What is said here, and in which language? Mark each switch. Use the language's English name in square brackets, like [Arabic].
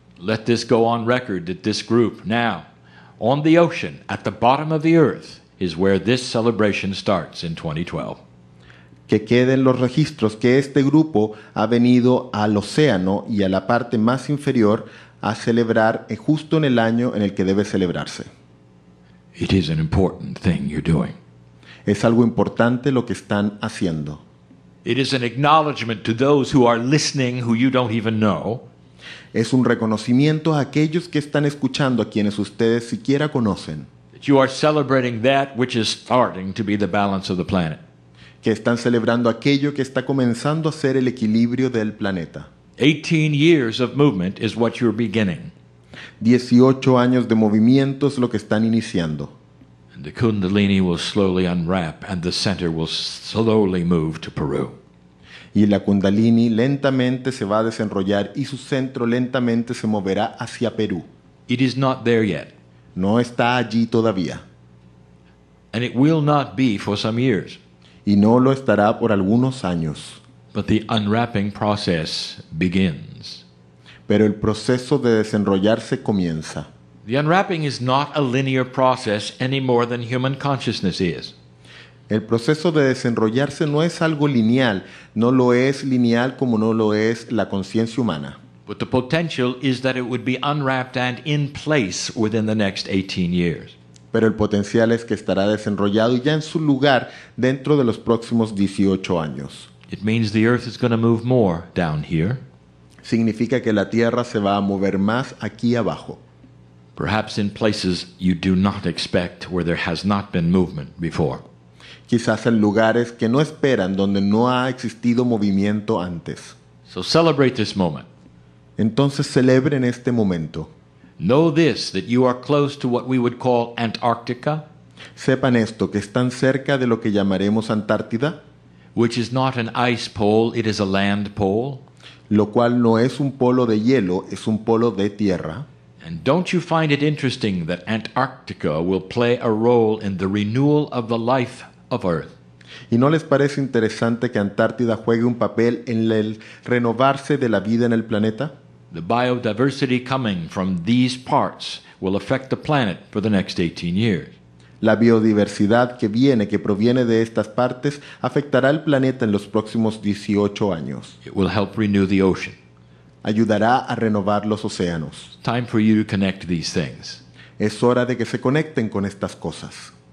[English] Let this go on record that this group now, on the ocean, at the bottom of the earth, is where this celebration starts in 2012. [Spanish] Que queden los registros que este grupo ha venido al océano y a la parte más inferior a celebrar justo en el año en el que debe celebrarse. [English] It is an important thing you're doing. [Spanish] Es algo importante lo que están haciendo. [English] It is an acknowledgement to those who are listening who you don't even know. [Spanish] Es un reconocimiento a aquellos que están escuchando, a quienes ustedes siquiera conocen. [English] You are celebrating that which is starting to be the balance of the planet. [Spanish] Que están celebrando aquello que está comenzando a ser el equilibrio del planeta. [English] 18 years of movement is what you're beginning. [Spanish] 18 años de movimiento es lo que están iniciando. [English] And the Kundalini will slowly unwrap and the center will slowly move to Peru. [Spanish] Y la Kundalini lentamente se va a desenrollar y su centro lentamente se moverá hacia Perú. [English] It is not there yet. [Spanish] No está allí todavía. [English] And it will not be for some years. [Spanish] Y no lo estará por algunos años. [English] But the unwrapping process begins. [Spanish] Pero el proceso de desenrollarse comienza. [English] The unwrapping is not a linear process any more than human consciousness is. [Spanish] El proceso de desenrollarse no es algo lineal, no lo es lineal como no lo es la conciencia humana. [English] But the potential is that it would be unwrapped and in place within the next 18 years. [Spanish] Pero el potencial es que estará desenrollado y ya en su lugar dentro de los próximos 18 años. [English] It means the earth is going to move more down here. [Spanish] Significa que la tierra se va a mover más aquí abajo. [English] Perhaps in places you do not expect where there has not been movement before. [Spanish] Quizás en lugares que no esperan, donde no ha existido movimiento antes. [English] So celebrate this moment. [Spanish] Entonces celebren este momento. [English] Know this, that you are close to what we would call Antarctica. [Spanish] Sepan esto, que están cerca de lo que llamaremos Antártida. [English] Which is not an ice pole, it is a land pole. [Spanish] Lo cual no es un polo de hielo, es un polo de tierra. [English] And don't you find it interesting that Antarctica will play a role in the renewal of the life of Earth? [Spanish] ¿Y no les parece interesante que Antártida juegue un papel en el renovarse de la vida en el planeta? [English] The biodiversity coming from these parts will affect the planet for the next 18 years. [Spanish] La biodiversidad que viene, que proviene de estas partes, afectará al planeta en los próximos 18 años. [English] It will help renew the ocean. [Spanish] Ayudará a renovar los océanos. [English] Time for you to connect these things. [Spanish] Es hora de que se conecten con estas cosas.